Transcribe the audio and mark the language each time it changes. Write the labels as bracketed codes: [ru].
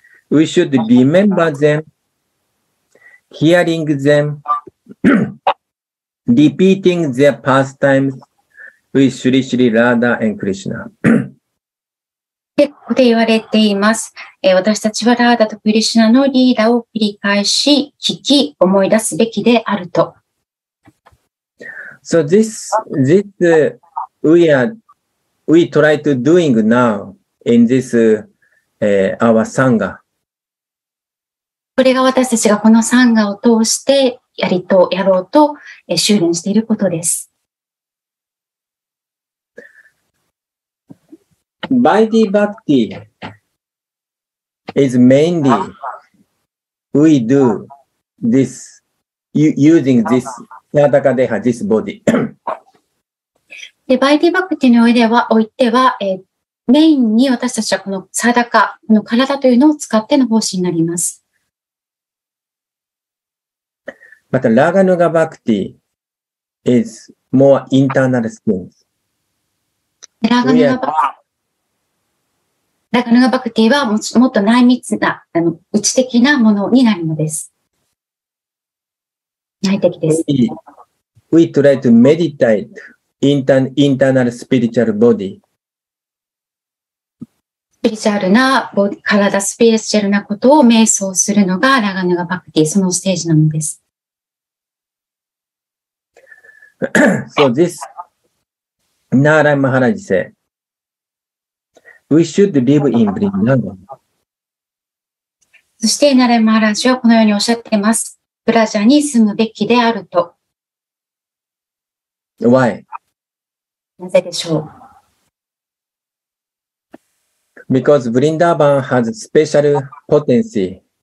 [en] We should remember them, hearing them, repeating their pastimes with Sri Sri Radha and Krishna. [ja] で、ここで言われています。私たちはラーダとクリシュナのリーダを繰り返し聞き思い出すべきであると。 [en] So this we try to doing now. In this, our sangha. [ja] これが私たちがこのサンガを通してやりとやろうと、修練していることです。 [en] Vaidhi Bhakti is mainly we do this using this Yadaka Deha, this body. [ja] で、Vaidhi Bhakti においては、メインに私たちはこのサダカ、この体というのを使っての方針になります。 [en] また、ラガヌガバクティ is more internal skills. [ja] ラガヌガバクティはもっと内密な、内的なものになるのです。内的です。 [en] We try to meditate internal spiritual body. [ja] スピリチュアルな体、スピリチュアルなことを瞑想するのがラガヌガバクティ、そのステージなのです。 [en] So this, Narayan Maharaj said, we should live in Vrindavan. [ja] そして Narayan Maharaj はこのようにおっしゃっています。ブラジャに住むべきであると。 [en] Why? [ja] なぜでしょう? [en] Because Vrindavan has special potency.